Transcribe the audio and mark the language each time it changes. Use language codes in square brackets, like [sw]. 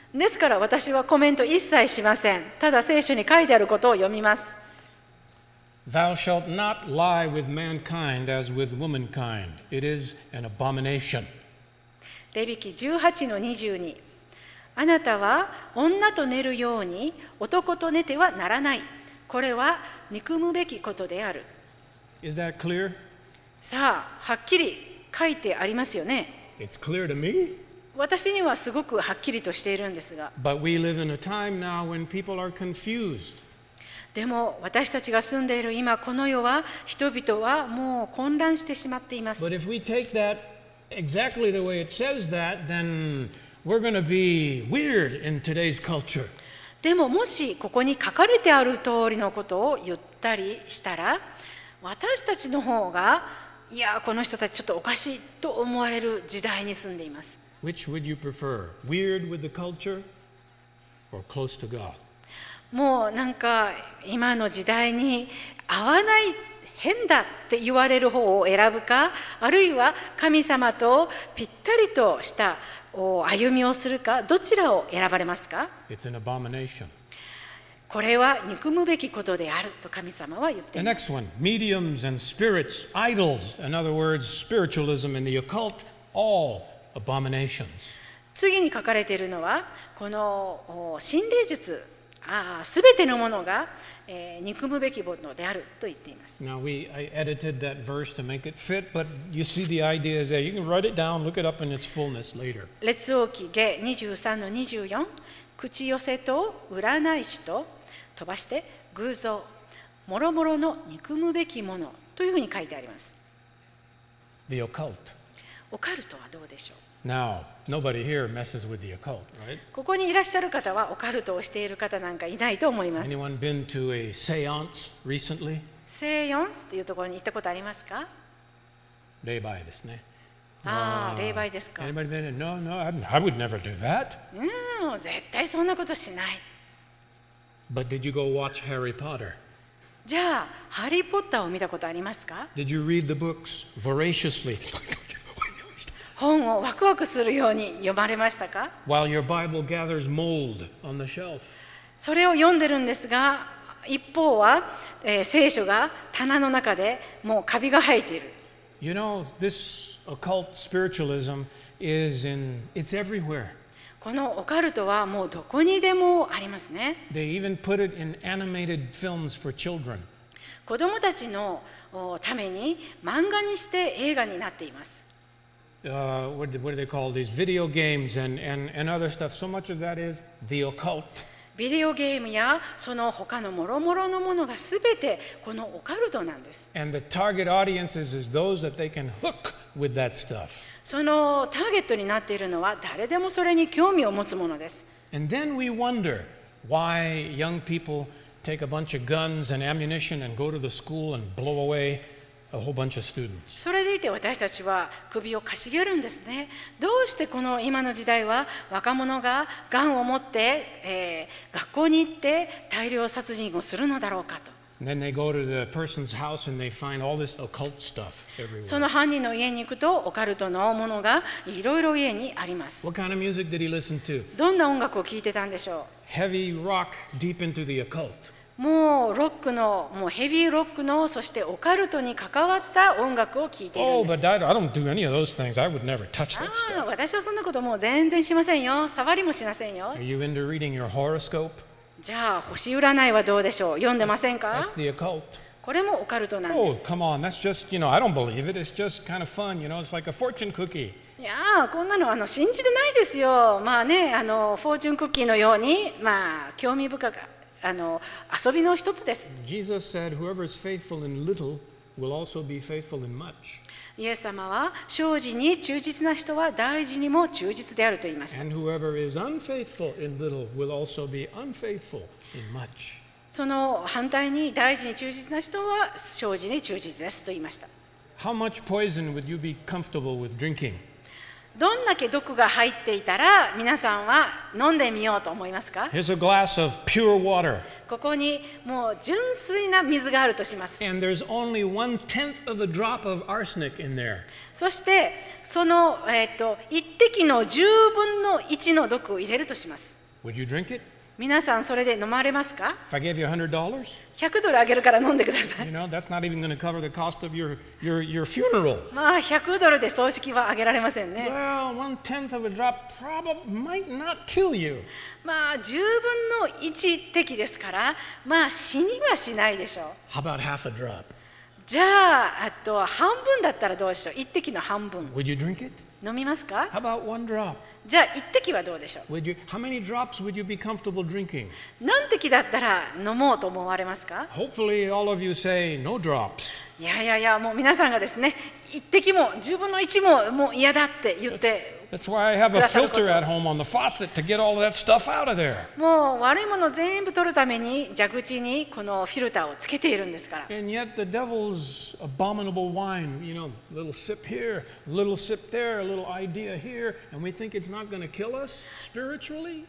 [ja] ですから私はコメント一切しません。ただ聖書に書いてあることを読みます。 [en] Thou shalt not lie with mankind as with womankind. It is an abomination. [ja] レビ記18の22。あなたは女と寝るように男と寝てはならない。これは憎むべきことである。 [en] Is that clear? [ja] さあ、はっきり書いてありますよね。 [en] It's clear to me. [ja] 私にはすごくはっきりとしているんですが。 [en] But we live in a time now when people are confused. [ja] でも私たちが住んでいる今この世は人々はもう混乱してしまっています。 [en] But if we take that exactly the way it says that, then we're going to be weird in today's culture. [ja] でももしここに書かれてある通りのことを言ったりしたら、私たちの方がいやこの人たちちょっとおかしいと思われる時代に住んでいます。 [en] Which would you prefer? Weird with the culture or close to God? [ja] もうなんか今の時代に合わない、変だって言われる方を選ぶか、あるいは神様とぴったりとした歩みをするか、どちらを選ばれますか。 [en] It's an abomination. [ja] これは憎むべきことであると神様は言っています。 [en] The next one, mediums and spirits, idols, in other words, spiritualism and the occult, all abominations. [ja] 次に書かれているのは、この心霊術、すべてのものが、憎むべきものであると言っています。 [en] Now, I edited that verse to make it fit, but you see the idea is there. You can write it down, look it up in its fullness later. [ja] 列王記下 23-24口寄せと占い師と飛ばして偶像もろもろの憎むべきものというふうに書いてあります。 [en] The occult. [ja] オカルトはどうでしょう。 [en] Now, nobody here messes with the occult, right? [ja] ここにいらっしゃる方はオカルトをしている方なんかいないと思います。 [en] Anyone been to a séance recently? [ja] セイヨンスというところに行ったことありますか。霊媒ですね。霊媒ですか。 [en] Anybody been? No, no, I would never do that. [ja] 絶対そんなことしない。 [en] But did you go watch Harry Potter? [ja] じゃあ、ハリー・ポッターを見たことありますか。 [en] Did you read the books voraciously? [ja] 本をワクワクするように読まれましたか。 [en] While your Bible gathers mold on the shelf. [ja] それを読んでるんですが、一方は、聖書が棚の中でもうカビが生えている。 [en] You know, this occult spiritualism is in, it's everywhere. [ja] このオカルトはもうどこにでもありますね。 [en] They even put it in animated films for children. [ja] 子供たちのために漫画にして映画になっています。 [en] What do they call these video games and other stuff? So much of that is the occult. [ja] ビデオゲームやその他のもろもろのものがすべてこのオカルトなんです。 [en] And the target audience is those that they can hook with that stuff. [ja] そのターゲットになっているのは誰でもそれに興味を持つものです。 [en] And then we wonder why young people take a bunch of guns and ammunition and go to the school and blow away a whole bunch of students. [ja] それでいて私たちは首をかしげるんですね。どうしてこの今の時代は若者がガンを持って、学校に行って大量殺人をするのだろうかと。 [en] Then they go to the person's house and they find all this occult stuff everywhere. [ja] その犯人の家に行くとオカルトのものがいろいろ家にあります。 [en] What kind of music did he listen to? [ja] どんな音楽を聴いてたんでしょう。 [en] Heavy rock deep into the occult. [ja] もうロックの、もうヘビーロックの、そしてオカルトに関わった音楽を聴いているんです。 [en] Oh, but I don't do any of those things. I would never touch that stuff. [ja] 私はそんなこともう全然しませんよ。触りもしませんよ。 [en] Are you into reading your horoscope? [ja] じゃあ星占いはどうでしょう。読んでませんか。 [en] That's the occult. [ja] これもオカルトなんです。 [en] Oh, come on. That's just, you know, I don't believe it. It's just kind of fun. You know, it's like a fortune cookie. [ja] いやあ、こんなの信じてないですよ。まあね、フォーチュンクッキーのように、まあ興味深く。遊びの一つです。 [en] Jesus said, "Whoever is faithful in little will also be faithful in much." [ja] イエス様は、小事に忠実な人は大事にも忠実であると言いました。 [en] And whoever is unfaithful in little will also be unfaithful in much. [ja] その反対に、大事に忠実な人は小事に忠実ですと言いました。 [en] How much poison would you be comfortable with drinking? [ja] どんだけ毒が入っていたら皆さんは飲んでみようと思いますか。 [en] Here's a glass of pure water. [ja] ここにもう純粋な水があるとします。 [en] And there's only one tenth of a drop of arsenic in there. [ja] そしてその一滴の10分の1の毒を入れるとします。 [en] Would you drink it? [ja] 皆さんそれで飲まれますか。 [en] If I gave you $100? [ja] $100ドルあげるから飲んでください。 [en] You know, that's not even going to cover the cost of your funeral. [ja] まあ、100ドルで葬式はあげられませんね。 [en] Well, one tenth of a drop probably might not kill you. [ja] まあ、10分の1滴ですから、まあ、死にはしないでしょう。 [en] How about half a drop? [ja] じゃあ、半分だったらどうしよう。 1滴の半分。 [en] Would you drink it? [ja] 飲みますか。 [en] How about one drop? [ja] じゃあ一滴はどうでしょう。 [en] How many drops would you be comfortable drinking? [ja] 何滴だったら飲もうと思われますか。 [en] Hopefully all of you say no drops. [ja] いやいやいや、もう皆さんがですね、一滴も十分の一ももう嫌だって言ってくださること。 [en] That's why I have a filter at home on the faucet to get all that stuff out of there. [ja] もう悪いもの全部取るために蛇口にこのフィルターをつけているんですから。 [en] And yet the devil's abominable wine, you know, little sip here, little sip there, a little idea here, and we think it'sNot gonna kill us spiritually?